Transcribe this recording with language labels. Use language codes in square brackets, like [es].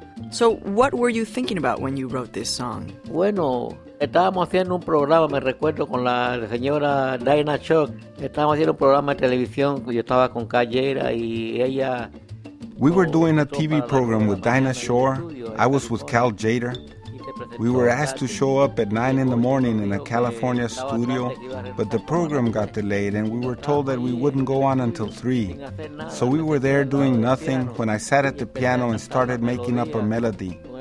[en] So what were you thinking about when you wrote this song? [es] Bueno, estábamos haciendo un programa, me recuerdo, con la señora Diana Chuck. Estábamos haciendo un programa de televisión. Yo estaba con Callera y ella... [en] We were doing a TV program with Diana Shore. I was with Cal Jader. We were asked to show up at 9 in the morning in a California studio, but the program got delayed and we were told that we wouldn't go on until 3. So we were there doing nothing when I sat at the piano and started making up a melody.